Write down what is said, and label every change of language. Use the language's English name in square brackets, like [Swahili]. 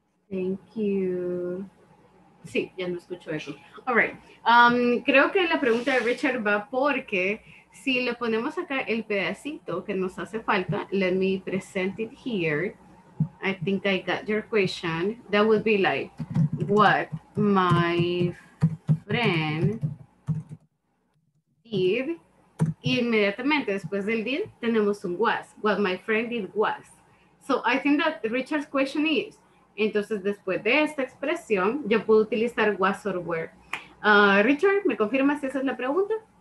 [English] Thank you. [Spanish] Sí, ya no escucho eso. [English] All right. [Spanish] Creo que la pregunta de Richard va porque si le ponemos acá el pedacito que nos hace falta, [English] let me present it here. I think I got your question. That would be like, what my friend did. [Spanish] Y inmediatamente después del did, tenemos un was. [English] What my friend did was. So I think that Richard's question is, [Spanish] entonces, después de esta expresión, yo puedo utilizar [English] was or where. [Spanish] Richard, ¿me confirmas si esa es la pregunta?